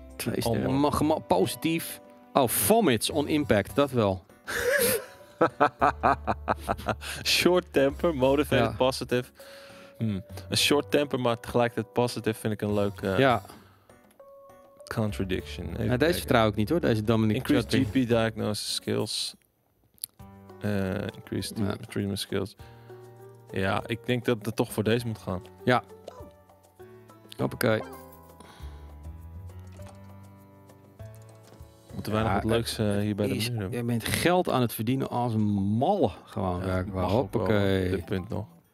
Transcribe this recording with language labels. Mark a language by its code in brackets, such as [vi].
[nl] Twee sterren. Positief. [en] Oh, vomits on impact. [nl] Dat wel. [en] Short temper, motivated, positive. [nl] Een [en] short temper, [nl] maar tegelijkertijd positive vind ik een leuk... [en] contradiction. [nl] Nou, deze vertrouw ik niet hoor, deze Dominic. [en] Increased GP diagnosis skills. Increased treatment skills. [nl] Ja, ik denk dat het toch voor deze moet gaan. Ja. Hoppakee. Moeten wij nog wat leuks hier bij de muur hebben? Je bent geld aan het verdienen als een malle. Gewoon werkbaar. Hoppakee. Dit punt nog.